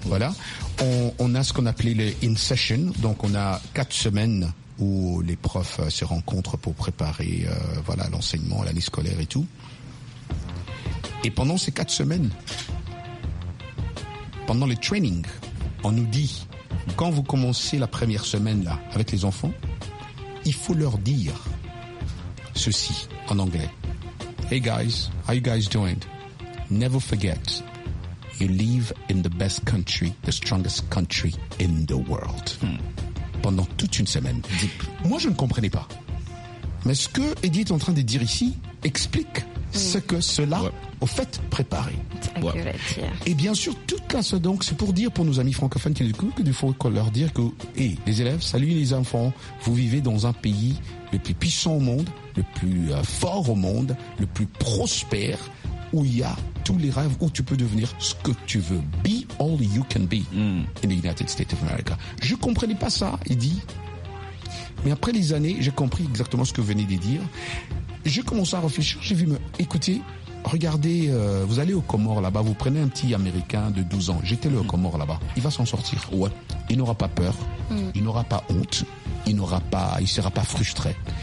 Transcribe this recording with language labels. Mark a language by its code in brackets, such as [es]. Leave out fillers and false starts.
[fr] Voilà, on a ce qu'on appelait le in session. Donc on a 4 semaines où les profs se rencontrent pour préparer l'enseignement, l'année scolaire et tout. Et pendant ces 4 semaines, pendant les trainings, on nous dit, quand vous commencez la première semaine là, avec les enfants, il faut leur dire ceci en anglais. [en] Hey guys, how you guys doing? Never forget, you live in the best country, the strongest country in the world. [fr] Pendant toute une semaine. [en] Deep. [fr] Moi, je ne comprenais pas. Mais ce que Eddie est en train de dire ici explique ce que cela au fait préparé. Et bien sûr, toute classe, donc, c'est pour dire pour nos amis francophones qui nous écoutent qu'il faut leur dire que, hey, les élèves, salut les enfants, vous vivez dans un pays le plus puissant au monde, le plus fort au monde, le plus prospère, où il y a tous les rêves, où tu peux devenir ce que tu veux. [en] Be all you can be in the United States of America. [fr] Je ne comprenais pas ça, il dit. Mais après les années, j'ai compris exactement ce que vous venez de dire. J'ai commencé à réfléchir, j'ai vu, écoutez, regardez, vous allez aux Comores là-bas, vous prenez un petit Américain de 12 ans, jetez-le aux Comores là-bas, il va s'en sortir. Ouais. Il n'aura pas peur, il n'aura pas honte, il sera pas frustré.